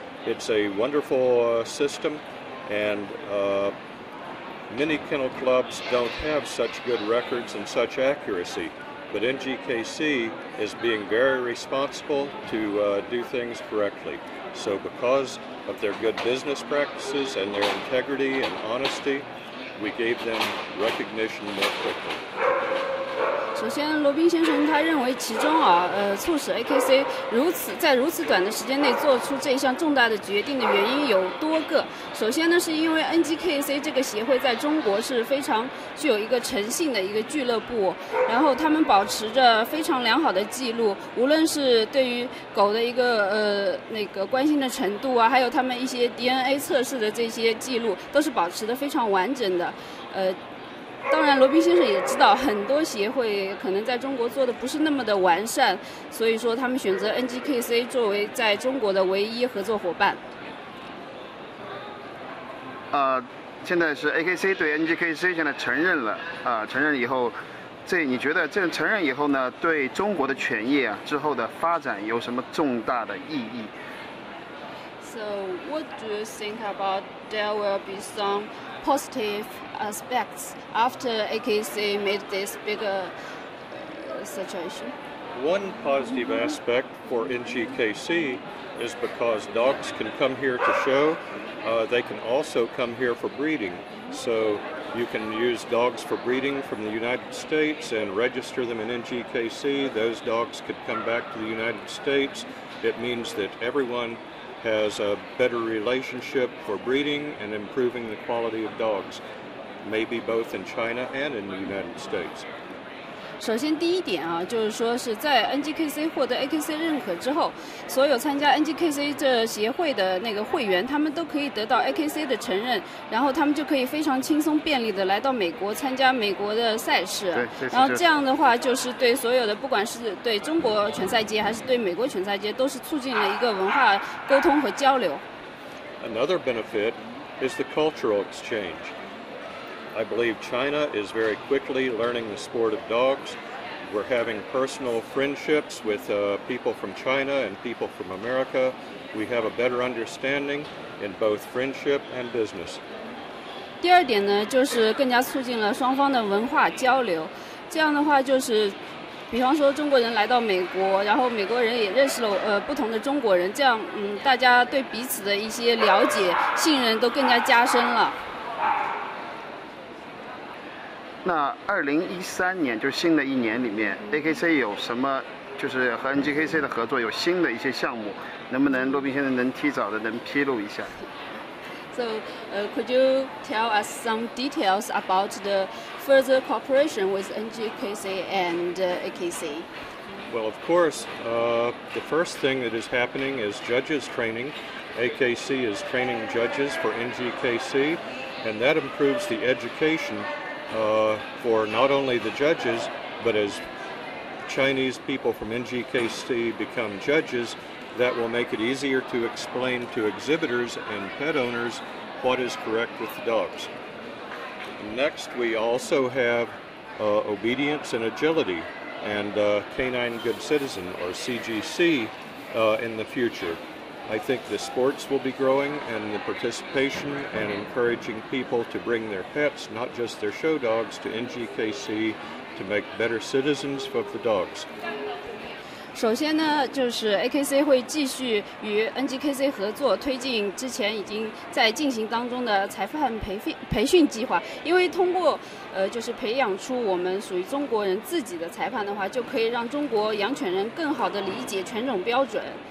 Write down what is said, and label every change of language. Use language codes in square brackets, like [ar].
[en] It's a wonderful system, and many kennel clubs don't have such good records and such accuracy. But NGKC is being very responsible to do things correctly. So because of their good business practices and their integrity and honesty, we gave them recognition more quickly. [zh] 首先，罗宾先生他认为其中促使 AKC 如此短的时间内做出这一项重大的决定的原因有多个。首先呢，是因为 NGKC 这个协会在中国是非常具有一个诚信的一个俱乐部，然后他们保持着非常良好的记录，无论是对于狗的一个那个关心的程度啊，还有他们一些 DNA 测试的这些记录都是保持得非常完整的。当然罗宾先生也知道很多协会可能在中国做的不是那么的完善，所以说他们选择 NGKC 作为在中国的唯一合作伙伴。现在是 AKC 对 NGKC 现在承认了，承认以后，这你觉得这承认以后呢，对中国的犬业啊之后的发展有什么重大的意义？ [en] So what do you think about there will be some positive aspects after AKC made this bigger situation? One positive aspect for NGKC is because dogs can come here to show. They can also come here for breeding. So you can use dogs for breeding from the United States and register them in NGKC. Those dogs could come back to the United States. It means that everyone... has a better relationship for breeding and improving the quality of dogs, maybe both in China and in the United States. [zh] 首先第一点啊，就是说是在 NGKC 获得 AKC 认可之后，所有参加 NGKC 这协会的那个会员，他们都可以得到 AKC 的承认，然后他们就可以非常轻松便利的来到美国参加美国的赛事。对，是。然后这样的话，就是对所有的，不管是对中国拳赛界还是对美国拳赛界，都是促进了一个文化沟通和交流。 [en] Another benefit is the cultural exchange. I believe China is very quickly learning the sport of dogs. We're having personal friendships with people from China and people from America. We have a better understanding in both friendship and business. [zh] 第二点呢，就是更加促进了双方的文化交流。这样的话就是比方说中国人来到美国，然后美国人也认识了不同的中国人，这样大家对彼此的一些了解信任都更加加深了。那2013年就是新的一年里面 ，AKC 有什么就是和 NGKC 的合作有新的一些项目，能不能罗宾先生能提早的能披露一下 [en] ？So, could you tell us some details about the further cooperation with NGKC and AKC? Well, of course, the first thing that is happening is judges training. AKC is training judges for NGKC, and that improves the education. For not only the judges, but as Chinese people from NGKC become judges, that will make it easier to explain to exhibitors and pet owners what is correct with the dogs. Next, we also have obedience and agility and canine good citizen, or CGC, in the future. I think the sports will be growing and the participation and encouraging people to bring their pets, not just their show dogs, to NGKC to make better citizens of the dogs. [zh] 首先呢，就是 AKC 会继续与 NGKC 合作，推进之前已经在进行当中的裁判培训计划。因为通过就是培养出我们属于中国人自己的裁判的话，就可以让中国养犬人更好地理解犬种标准。